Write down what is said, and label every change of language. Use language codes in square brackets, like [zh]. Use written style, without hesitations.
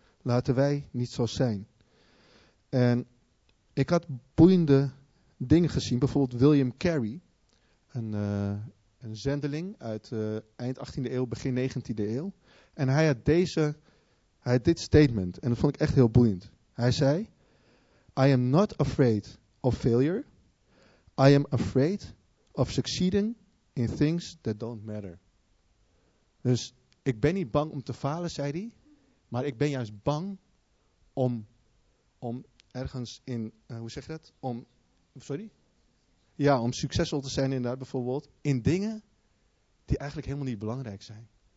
[nl] Laten wij niet zo zijn. En ik had boeiende dingen gezien. Bijvoorbeeld William Carey, een zendeling uit eind 18e eeuw, begin 19e eeuw. En hij had dit statement. En dat vond ik echt heel boeiend. Hij zei, [en] I am not afraid of failure. I am afraid of succeeding in things that don't matter. [nl] Dus ik ben niet bang om te falen, zei hij. Maar ik ben juist bang om ergens in, hoe zeg je dat? Om succesvol te zijn inderdaad bijvoorbeeld. In dingen die eigenlijk helemaal niet belangrijk zijn.